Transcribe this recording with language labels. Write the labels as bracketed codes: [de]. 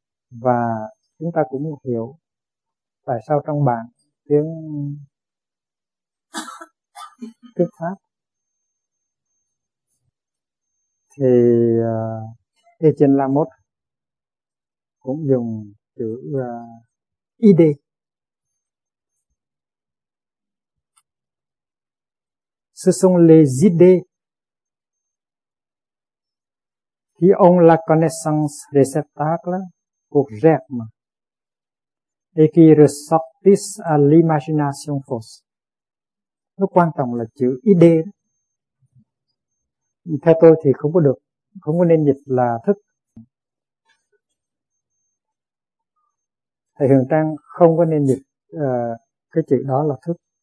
[vi] Và chúng ta cũng không hiểu tại sao trong bản tiếng Pháp thì Etienne Lamotte cũng dùng chữ ID. [fr] Ce sont les idées qui ont la connaissance réceptacle pour germe et qui ressortissent à l'imagination fausse. [vi] Nó quan trọng là chữ idée. Theo tôi thì không có được, không có nên dịch là thức. Thầy Hường Trang không có nên dịch cái chữ đó là thức.